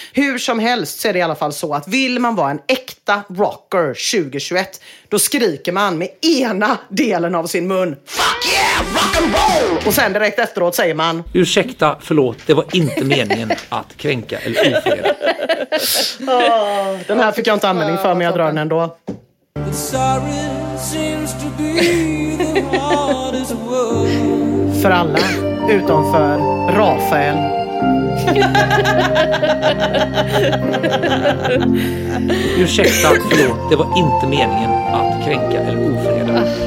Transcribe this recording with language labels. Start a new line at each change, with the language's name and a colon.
Swedish: Hur som helst så är det i alla fall så att vill man vara en äkta rocker 2021, då skriker man med ena delen av sin mun:
English: fuck yeah, rock and roll!
Swedish: Och sen direkt efteråt säger man: ursäkta, förlåt, det var inte meningen att kränka eller ofreda. Den här fick jag inte användning för, men jag drar den ändå.
English: The siren seems to be the hardest word.
Swedish: För alla utom för Rafael. Ursäkta, förlåt, det var inte meningen att kränka eller ofreda.